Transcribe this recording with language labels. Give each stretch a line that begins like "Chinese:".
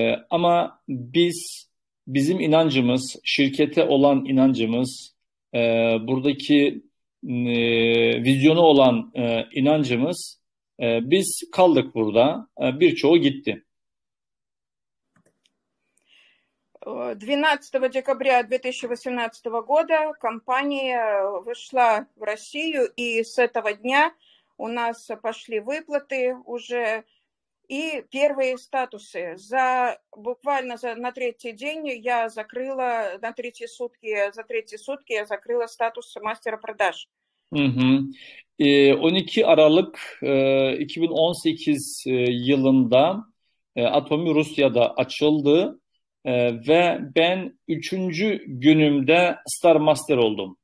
Turkish: Ama bizim inancımız, şirkete olan inancımız, buradaki vizyonu olan inancımız, biz kaldık burada, birçoğu gitti.
Russian: 12 декабря 2018 года компания вошла в Россию, и с этого дня у нас пошли выплаты уже и первые статусы. Буквально на третий день я закрыла, за третьи сутки я закрыла статус мастера продаж.
Turkish: 12 Aralık 2018 yılında Atomi Rusya'da açıldı. Ve ben üçüncü günümde Star Master oldum.